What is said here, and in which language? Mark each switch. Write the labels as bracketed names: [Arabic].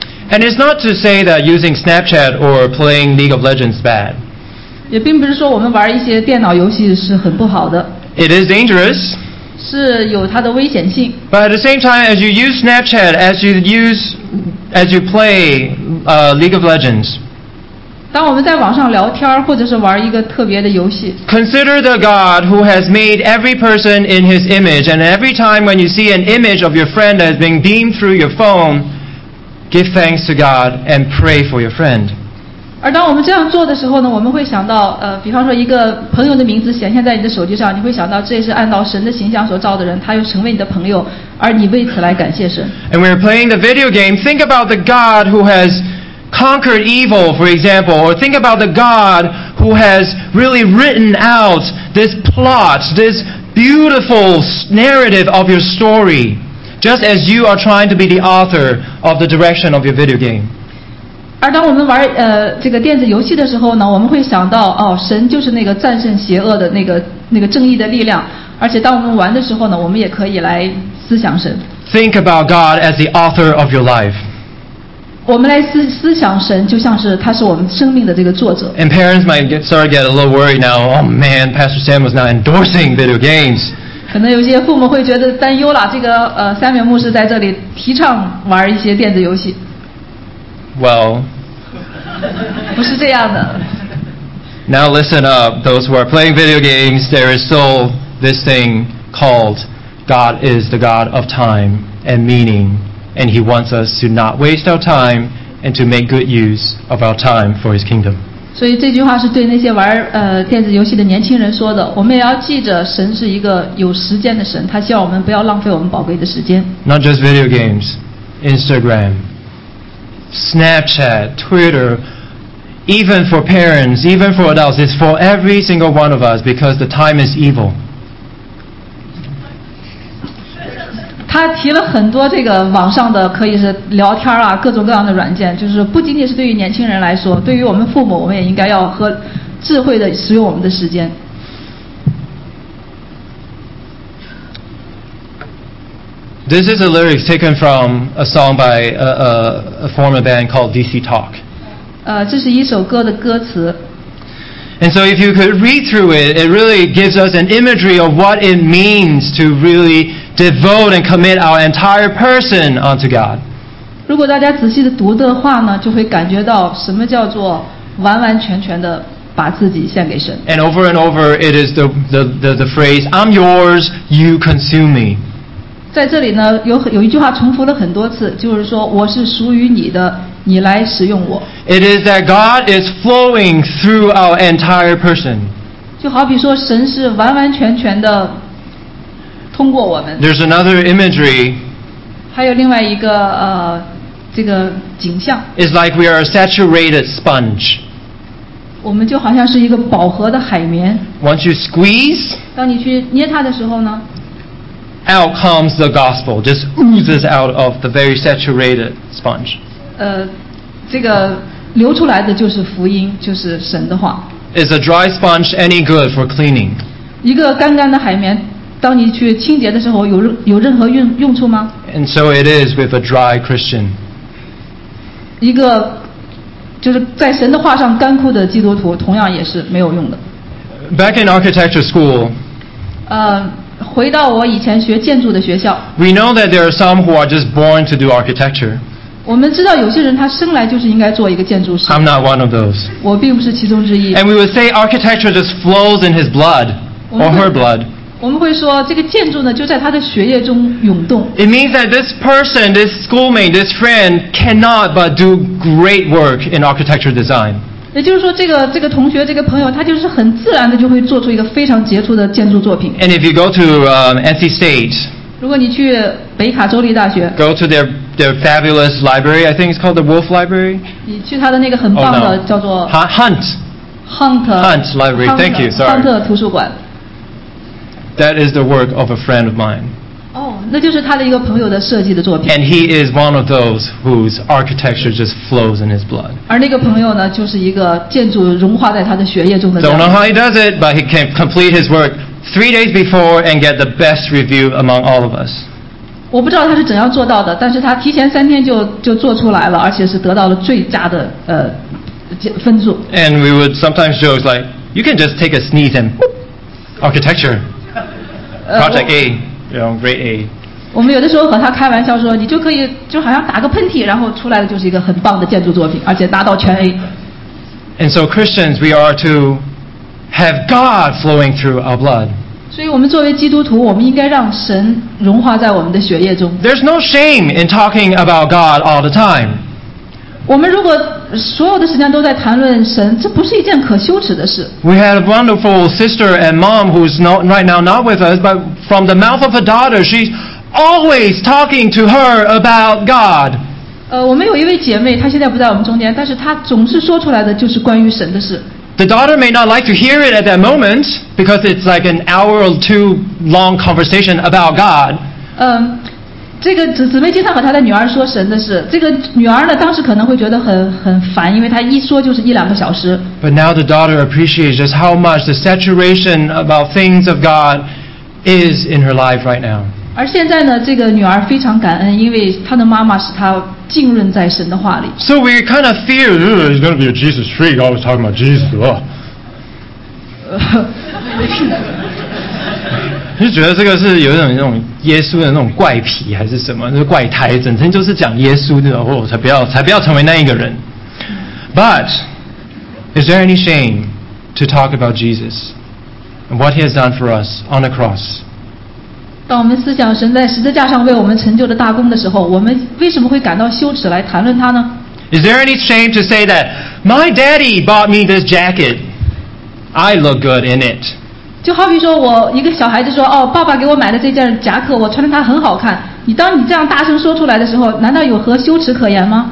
[English] And it's not to say that using Snapchat or playing League of Legends is bad. [Chinese] 也并不是说我们玩一些电脑游戏是很不好的。 [English] It is dangerous. [Chinese] 是有它的危险性。 [English] But at the same time, as you use Snapchat, as you play League of Legends, [Chinese] 当我们在网上聊天或者是玩一个特别的游戏， [English] consider the God who has made every person in His image, and every time when you see an image of your friend that has been beamed through your phone, give thanks to God and pray for your friend. [Chinese] 而当我们这样做的时候呢，我们会想到，比方说一个朋友的名字显现在你的手机上，你会想到这是按照神的形象所造的人，他又成为你的朋友，而你为此来感谢神。 [English] And when you're playing the video game, think about the God who has conquered evil, for example, or think about the God who has really written out this plot, this beautiful narrative of your story, just as you are trying to be the author of the direction of your video game. [Chinese] 而当我们玩这个电子游戏的时候呢，我们会想到哦，神就是那个战胜邪恶的那个正义的力量。而且当我们玩的时候呢，我们也可以来思想神。 [English] Think about God as the author of your life. [Chinese] 我们来思想神，就像是他是我们生命的这个作者。 [English] And parents might start to get a little worried now. Oh man, Pastor Sam was now endorsing video games. [Chinese] 可能有些父母会觉得担忧了，这个Samuel牧师在这里提倡玩一些电子游戏。 [English] Well, [Chinese] 不是这样的。 [English] Now listen up, those who are playing video games, there is still this thing called God is the God of time and meaning, and He wants us to not waste our time and to make good use of our time for His kingdom. [Chinese] 所以这句话是对那些玩电子游戏的年轻人说的。我们也要记着，神是一个有时间的神，他希望我们不要浪费我们宝贵的时间。 [English] Not just video games, Instagram. Snapchat, Twitter, even for parents, even for adults, it's for every single one of us because the time is evil. [Chinese] 他提了很多这个网上的可以是聊天啊，各种各样的软件，就是不仅仅是对于年轻人来说，对于我们父母，我们也应该要和智慧的使用我们的时间。 [English] This is a lyric taken from a song by a former band called DC Talk. [Chinese] 这是一首歌的歌词。 [English] And so if you could read through it, it really gives us an imagery of what it means to really devote and commit our entire person unto God. [Chinese] 如果大家仔细的读的话呢，就会感觉到什么叫做完完全全的把自己献给神。 [English] And over and over, it is the phrase, I'm yours, you consume me. [Chinese] 在这里呢，有一句话重复了很多次，就是说我是属于你的，你来使用我。 [English] It is that God is flowing through our entire person. [Chinese] 就好比说神是完完全全的通过我们。 [English] There's another imagery. [Chinese] 还有另外一个这个景象。 [English] It's like we are a saturated sponge. [Chinese] 我们就好像是一个饱和的海绵。 [English] Once you squeeze. [Chinese] 当你去捏它的时候呢？ [English] Out comes the gospel, just oozes out of the very saturated sponge. [Chinese] 这个流出来的就是福音，就是神的话。 [English] Is a dry sponge any good for cleaning? [Chinese] 一个干干的海绵，当你去清洁的时候，有任何用处吗？ [English] And so it is with a dry Christian. [Chinese] 一个就是在神的话上干枯的基督徒，同样也是没有用的。 [English] Back in architecture school. [Chinese] 回到我以前学建筑的学校。 [English] We know that there are some who are just born to do architecture. [Chinese] 我们知道有些人他生来就是应该做一个建筑师。 [English] I'm not one of those. [Chinese] 我并不是其中之一。 [English] And we would say architecture just flows in his blood or her blood. [Chinese] 我们会说这个建筑呢就在他的血液中涌动。 [English] It means that this person, this schoolmate, this friend cannot but do great work in architecture design. [Chinese] 也就是说这个同学这个朋友他就是很自然的就会做出一个非常杰出的建筑作品。 [English] And if you go to NC State, [Chinese] 如果你去北卡州立大学， [English] go to their fabulous library, I think it's called the Wolf Library. [Chinese] 你去他的那个很棒的、 [English] oh, no. [Chinese] 叫做 [English] Hunt Library, Hunt, thank you, sorry. [Chinese] Hunt 图书馆。 [English] That is the work of a friend of mine. [Chinese] 那就是他的一个朋友的设计的作品。 [English] And he is one of those whose architecture just flows in his blood. [Chinese] 而那个朋友呢，就是一个建筑融化在他的血液中的。 [English] Don't know how he does it, but he can complete his work 3 days before and get the best review among all of us. [Chinese] 我不知道他是怎样做到的，但是他提前三天就做出来了，而且是得到了最佳的分数。 [English] And we would sometimes joke like, you can just take a sneeze and architecture. Project A, you know, grade A. [Chinese] 我们有的时候和他开玩笑说，你就可以就好像打个喷嚏，然后出来的就是一个很棒的建筑作品，而且拿到全 A. [English] And so Christians, we are to have God flowing through our blood. [Chinese] 所以我们作为基督徒，我们应该让神融化在我们的血液中。 [English] There's no shame in talking about God all the time. [Chinese] 我们如果所有的时间都在谈论神，这不是一件可羞耻的事。 [English] We had a wonderful sister and mom who's not right now not with us, but from the mouth of a daughter, she's always talking to her about God. [Chinese] 我们有一位姐妹，她现在不在我们中间，但是她总是说出来的就是关于神的事。 [English] The daughter may not like to hear it at that moment because it's like an hour or two long conversation about God. [Chinese] 这个姊妹经常和她的女儿说神的事，这个女儿呢当时可能会觉得很烦，因为她一说就是一两个小时。 [English] But now the daughter appreciates just how much the saturation about things of God is in her life right now. [Chinese] 而现在呢，这个女儿非常感恩，因为她的妈妈使她浸润在神的话里。 [English] So we kind of fear, he's going to be a Jesus freak, always talking about Jesus. [Chinese] 你觉得这个是有点那种耶稣的那种怪癖还是什么？就是怪胎，整天就是讲耶稣的，哦，才不要成为那一个人。 [English] But is there any shame to talk about Jesus and what He has done for us on the cross? [Chinese] 当我们思想神在十字架上为我们成就的大功的时候，我们为什么会感到羞耻来谈论他呢？ [English] Is there any shame to say that my daddy bought me this jacket? I look good in it. [Chinese] 就好比说我一个小孩子说，哦，爸爸给我买的这件夹克我穿得它很好看，你当你这样大声说出来的时候，难道有何羞耻可言吗？